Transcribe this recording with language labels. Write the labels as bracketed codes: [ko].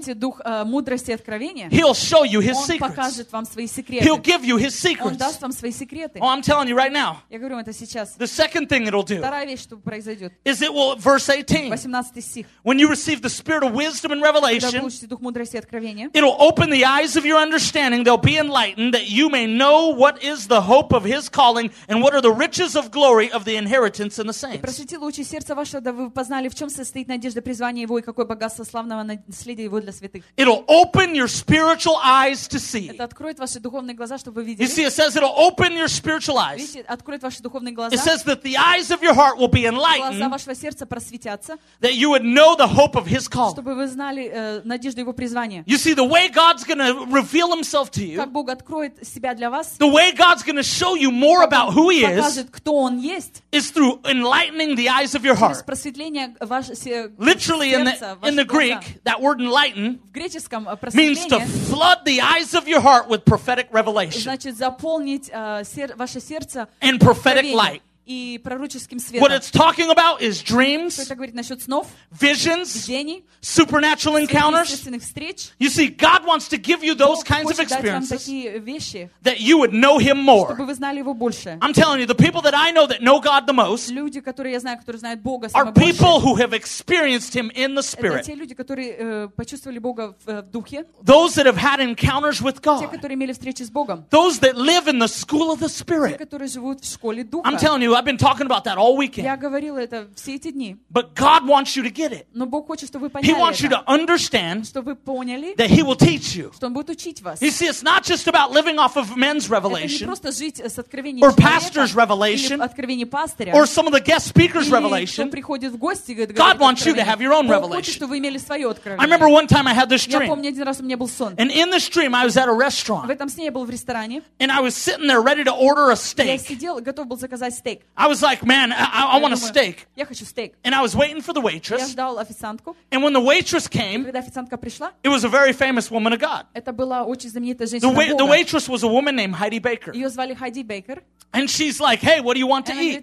[ru] если вы примете дух мудрости и откровения, [en] He'll show you His secrets. [ru] Он покажет вам свои секреты. [en] He'll give you His secrets. [ru] Он даст вам свои секреты. [en] Oh, I'm telling you right now. [ru] Я говорю вам это сейчас. [en] The second thing it'll do. [ru] Вторая вещь, что произойдет. [en] Is it will verse 18? [ru] 18 стих. [en] When you receive the spirit of wisdom and revelation, [ru] когда получите дух мудрости и откровения, [en] it'll open the eyes of your understanding. They'll be enlightened that you may know what is the hope of his calling and what are the riches of glory of the inheritance in the saints. [ru] Просветило очи сердца ваше, да вы познали, в чем состоит надежда призвания его и какое богатство славного наследия его для святых. [en] It'll open your spiritual eyes to see. [ru] Это откроет ваши духовные глаза, чтобы вы видели. [en] You see, it says it'll open your spiritual eyes. [ru] Видите, откроет ваши духовные глаза. [en] It says that the eyes of your heart will be enlightened. [ru] Глаза вашего сердца просветятся. [en] That you would know the hope of his calling. [ru] Чтобы вы знали надежду его призвания. [en] You see, the way God's going to reveal himself to you, [ru] как Бог откроет себя для вас, вас. [en] The way God's going to show you more about who he is. [ru] Покажет, кто он есть. [en] Is through enlightening the eyes of your heart. [ru] Через просветление ваше. [en] Literally in the Greek, that word enlighten. [ru] В греческом просветление. [en] Means to flood the eyes of your heart with prophetic revelation. [ru] Значит, заполнить ваше сердце. [en] And prophetic light. [ru] И пророческим светом. [en] What it's talking about is dreams, [ru] что это говорит насчет снов, [en] visions, [ru] видений, [en] supernatural encounters. [ru] Сверхъестественных встреч. [en] You see, God wants to give you those kinds of experiences. [ru] Бог хочет дать вам такие вещи, [en] that you would know him more. [ru] Чтобы вы знали его больше. [en] I'm telling you, the people that I know that know God the most, [ru] люди, которые я знаю, которые знают Бога самого больше, [en] are people who have experienced him in the spirit. [ru] Это те люди, которые почувствовали Бога в духе. [en] Those that have had encounters with God. [ru] Те, которые имели встречи с Богом. [en] Those that live in the school of the spirit. [ru] Те, которые живут в школе духа. [en] I'm telling you, I've been talking about that all weekend. [ru] Я говорила это все эти дни. [en] But God wants you to get it. [ru] Но Бог хочет, чтобы вы поняли. [en] He wants you to understand, [ru] чтобы вы поняли, [en] that he will teach you. [ru] Что он будет учить вас. [en] You see, it's not just about living off of men's revelation. [ru] Это не просто жить с откровений человека. [en] Or pastor's revelation. [ru] Или откровений пастыря. [en] Or some of the guest speaker's revelation. [ru] Или кто приходит в гости, говорит, [en] God wants you to have your own revelation. [ru] Бог хочет, чтобы вы имели свое откровение. [en] I remember one time I had this dream. [ru] Я помню, один раз у меня был сон. [en] And in this dream I was at a restaurant. [ru] В этом сне я был в ресторане. [en] And I was sitting there ready to order a steak. [ru] Я сидел, готов был заказать steak. [en] I was like, man, I want a steak. [ru] Я хочу steak. [en] And I was waiting for the waitress. [ru] Я ждал официантку. [en] And when the waitress came, [ru] когда официантка пришла, [en] it was a very famous woman of God. [ru] Это была очень знаменитая женщина Бога. [en] The waitress was a woman named Heidi Baker. [ru] Ее звали Heidi Baker. [en] And she's like, hey, what do you want to eat?